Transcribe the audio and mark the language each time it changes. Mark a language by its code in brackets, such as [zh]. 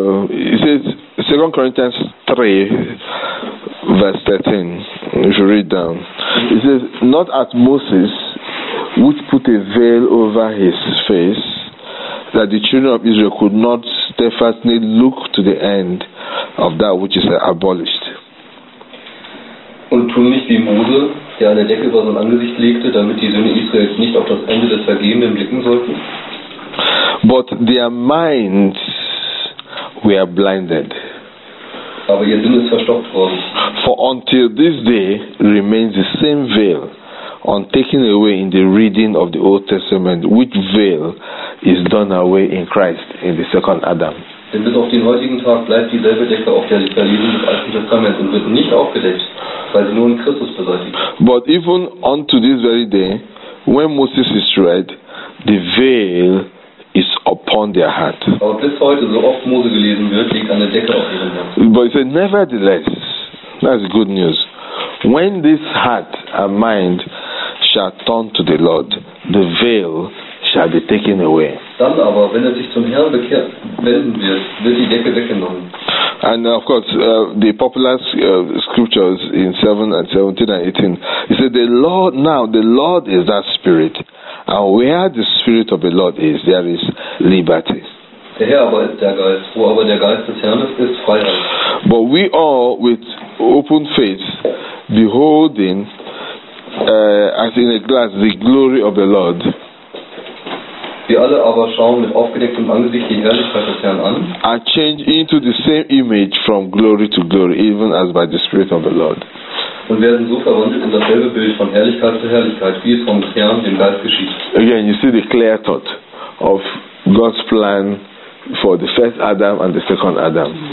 [en] It says 2 Corinthians 3, verse 13, if you read down. It says, "Not as Moses, which put a veil over his face, that the children of Israel could not steadfastly look to the end of that which is abolished." [de] und tun nicht wie Mose, der an der Decke über sein Angesicht legte, damit die Söhne Israels nicht auf das Ende des Vergebenen blicken sollten. [en] But their minds were blinded. [de] Aber ihr Sinn ist verstockt worden. [en] For until this day remains the same veil on taking away in the reading of the Old Testament, which veil is done away in Christ in the second Adam. [de] Denn bis auf den heutigen Tag bleibt dieselbe Decke auf der Verlesung des Alten Testaments und wird nicht aufgedeckt, weil sie nur in Christus beseitigt. [en] But even unto this very day, when Moses is read, the veil is upon their heart. [de] Aber bis heute, so oft Mose gelesen wird, liegt eine Decke auf ihrem Herzen. [en] But he said, nevertheless, that's good news. When this heart and mind shall turn to the Lord, the veil shall be taken away. [de] Dann aber, wenn er sich zum Herrn wenden wird, wird die Decke weggenommen. [en] And of course, the popular scriptures in 7 and 17 and 18, he said, the Lord is that spirit. And where the spirit of the Lord is, there is liberty. [de] Der Herr aber ist der Geist, wo aber der Geist des Herrn ist, ist Freiheit. [en] But we all, with open faith, beholding as in a glass the glory of the Lord. [de] Wir alle aber schauen mit aufgedecktem Angesicht die Herrlichkeit des Herrn an. [en] Are changed into the same image from glory to glory, even as by the Spirit of the Lord. [de] Und werden so verwandelt in dasselbe Bild von Herrlichkeit zu Herrlichkeit, wie es vom Herrn, dem Geist, geschieht. [en] Again, you see the clear thought of God's plan for the first Adam and the second Adam.